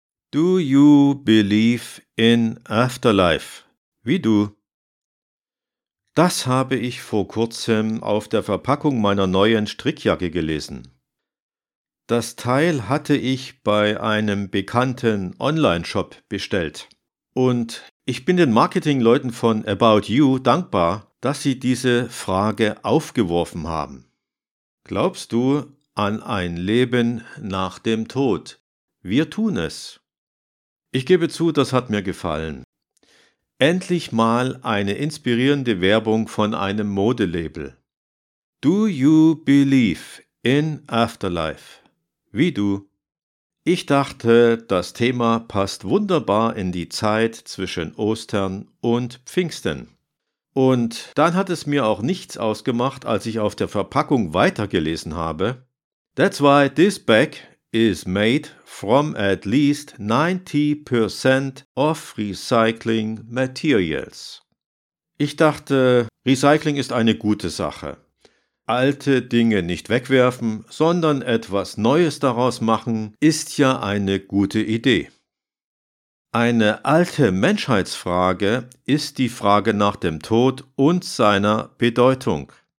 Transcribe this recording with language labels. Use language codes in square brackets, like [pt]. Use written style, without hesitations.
[en] Do you believe in afterlife? [de] Wie du? Das habe ich vor kurzem auf der Verpackung meiner neuen Strickjacke gelesen. Das Teil hatte ich bei einem bekannten Online-Shop bestellt. Und ich bin den Marketingleuten von About You dankbar, dass sie diese Frage aufgeworfen haben. Glaubst du an ein Leben nach dem Tod? Wir tun es. Ich gebe zu, das hat mir gefallen. Endlich mal eine inspirierende Werbung von einem Modelabel. [en] Do you believe in afterlife? [de] Wie du? Ich dachte, das Thema passt wunderbar in die Zeit zwischen Ostern und Pfingsten. Und dann hat es mir auch nichts ausgemacht, als ich auf der Verpackung weitergelesen habe. [en] That's why this bag is made from at least 90% of recycling materials. [de] Ich dachte, Recycling ist eine gute Sache. Alte Dinge nicht wegwerfen, sondern etwas Neues daraus machen, ist ja eine gute Idee. Eine alte Menschheitsfrage ist die Frage nach dem Tod und seiner Bedeutung.